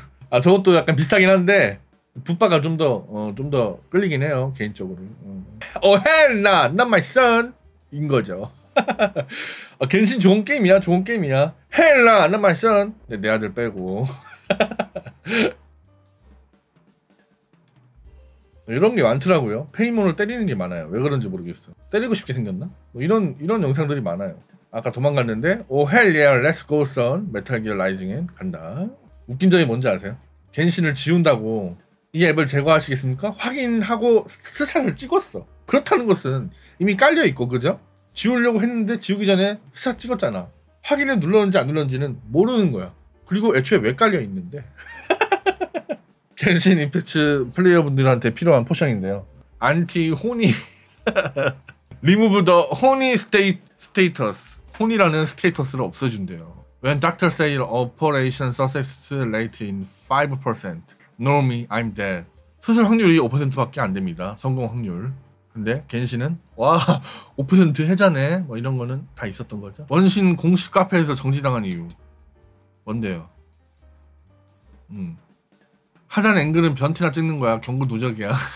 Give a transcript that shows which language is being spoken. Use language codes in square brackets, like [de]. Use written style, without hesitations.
[ko] 아 저것도 약간 비슷하긴 한데 붓바가 좀 더 좀 더 끌리긴 해요 개인적으로. [en] 어 hell nah, not my son [ko] 인 거죠. 아, 갠신 좋은 게임이야, 좋은 게임이야. [en] Hell nah, not my son. [ko] 네, 내 아들 빼고. 이런 게 많더라고요. 페이몬을 때리는 게 많아요. 왜 그런지 모르겠어. 때리고 싶게 생겼나? 뭐 이런 영상들이 많아요. 아까 도망갔는데, [en] Oh hell yeah, let's go son. [ko] 메탈 기어 라이징엔 간다. 웃긴 점이 뭔지 아세요? 갠신을 지운다고 이 앱을 제거하시겠습니까? 확인하고 스샷을 찍었어. 그렇다는 것은 이미 깔려 있고, 그죠? 지우려고 했는데 지우기 전에 스샷 찍었잖아. 확인을 눌렀는지 안 눌렀는지는 모르는 거야. 그리고 애초에 왜 깔려 있는데? 젠신 임팩트 플레이어분들한테 필요한 포션인데요. [en] 안티 호니 리무브 더 호니 스테이터스. [ko] 호니라는 스테이터스를 없애준대요. [en] When doctor say operation success rate in 5% No me, I'm dead. [ko] 수술 확률이 5%밖에 안 됩니다. 성공 확률. 근데 겐신은 와 5% 해자네 뭐 이런 거는 다 있었던 거죠. 원신 공식 카페에서 정지당한 이유 뭔데요? 하단 앵글은 변태나 찍는 거야. 경고 누적이야.